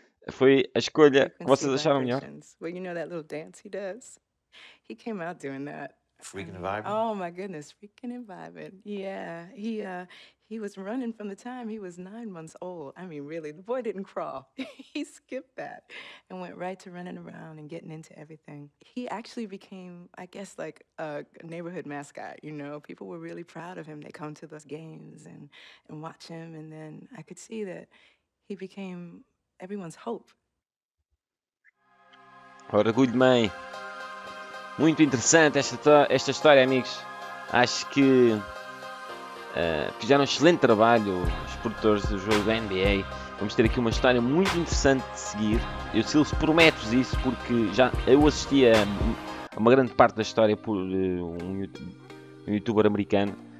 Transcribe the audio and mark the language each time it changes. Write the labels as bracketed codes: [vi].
[pt] Foi a escolha que vocês acharam melhor. [en] Well, you know that little dance he does? He came out doing that. Freaking and vibing. Oh, my goodness. Freaking and vibing. Yeah. He was running from the time he was 9 months old. I mean, really, the boy didn't crawl. He skipped that and went right to running around and getting into everything. He actually became, I guess, like a neighborhood mascot, you know? People were really proud of him. They come to those games and watch him. And then I could see that he became everyone's hope. [pt] Orgulho de mãe. Muito interessante esta história, amigos. Acho que... fizeram um excelente trabalho os produtores do jogo da NBA. Vamos ter aqui uma história muito interessante de seguir. Eu, Silvio, prometo-vos isso, porque já eu assisti a uma grande parte da história por um youtuber americano.